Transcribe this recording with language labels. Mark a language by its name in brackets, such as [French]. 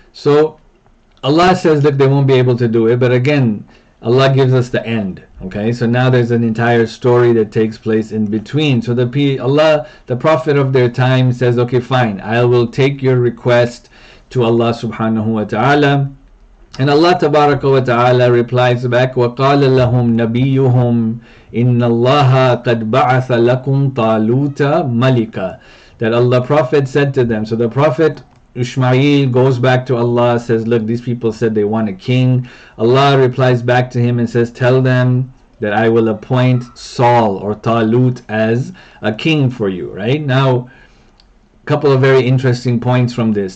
[English] So Allah says that they won't be able to do it, but again, Allah gives us the end, okay? So now there's an entire story that takes place in between. So the prophet of their time says, okay, fine, I will take your request to Allah subhanahu wa ta'ala. And Allah tabaraka wa ta'ala replies back, [Arabic] وَقَالَ لَهُمْ نَبِيُّهُمْ إِنَّ اللَّهَ قَدْ بَعَثَ لَكُمْ طَالُوتَ مَلِكًا. [English] That Allah prophet said to them, so the prophet Ishmael goes back to Allah, says, look, these people said they want a king. Allah replies back to him and says, tell them that I will appoint Saul or Talut as a king for you, right? Now, a couple of very interesting points from this.